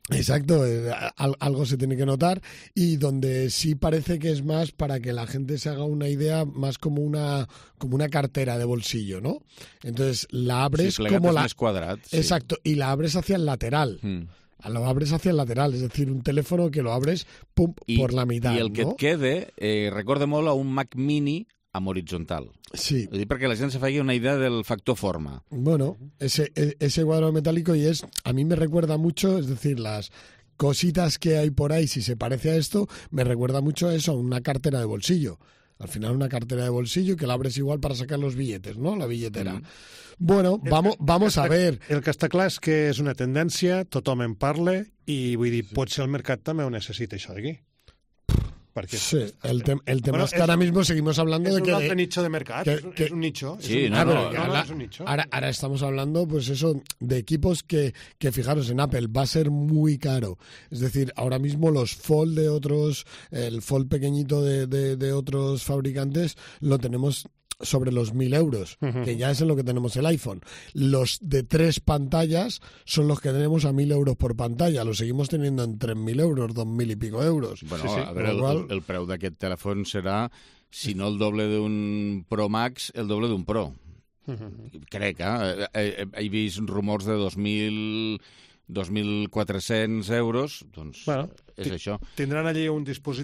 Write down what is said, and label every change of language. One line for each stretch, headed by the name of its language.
Spanish: Exacto, algo se tiene que notar, y donde sí parece que es más para que la gente se haga una idea, más como una cartera de bolsillo, ¿no? Entonces la abres si como la... Más cuadrat, sí. Exacto, y la abres hacia el lateral. Hmm. Lo abres hacia el lateral, es decir, un teléfono que lo abres pum, por la mitad.
Catalan: I el que no? Et quede, recorda molt a un Mac Mini amb horitzontal. Sí. Vull dir, perquè la gent se faci una idea del factor forma.
Spanish: Bueno, ese cuadro metálico y es, a mí me recuerda mucho, es decir, las cositas que hay por ahí, si se parece a esto, me recuerda mucho a eso, a una cartera de bolsillo. Al final una cartera de bolsillo que la abres igual para sacar los billetes, ¿no? La billetera. Bueno, vamos a ver.
Catalan: El que està clar és que és una tendència, tothom en parla, i vull dir, potser el mercat també ho necessita, això d'aquí.
Spanish: Perquè... Sí, el tema és que ara mismo seguimos hablando de que...
Catalan: És un altre nicho de mercat, és un nicho. Sí, no, és un nicho.
Spanish: Ara estamos hablando, pues eso, de equipos que fijaros, en Apple va a ser muy caro. Es decir, ahora mismo los Fold de otros, el Fold pequeñito de otros fabricantes, lo tenemos... sobre los 1.000 euros, uh-huh, que ya es en lo que tenemos el iPhone. Los de tres pantallas son los que tenemos a 1.000 euros por pantalla. Los seguimos teniendo en 3.000 euros, 2.000 y pico euros. Bueno, sí, sí.
Catalan: A ver, el preu d'aquest telèfon serà, si no el doble d'un Pro Max, el doble d'un Pro. Uh-huh. Crec, he vist rumors de 2.400 euros, doncs bueno, és això. Tindran allí un dispositiu,